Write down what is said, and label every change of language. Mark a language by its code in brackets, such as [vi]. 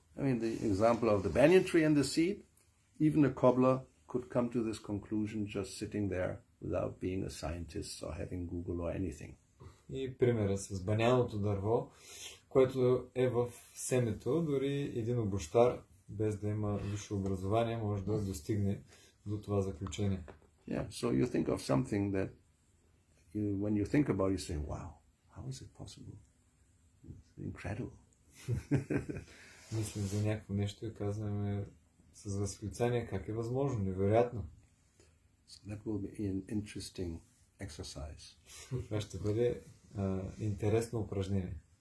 [en] I mean, the example of the banyan tree and the seed, even a cobbler could come to this conclusion just sitting there without being a scientist or having Google or anything. [bg] И примера с баняното дърво, което е в семето, дори един обощар, без да има висше образование, може да достигне до това заключение. [en] Yeah, so you think of something that you, when you think about it, you say, wow, how is it possible? It's incredible. [bg] Мислим за някакво нещо и казваме с възклицание, как е възможно, невероятно. [en] So that will be an interesting exercise. [bg] Това ще бъде интересно упражнение.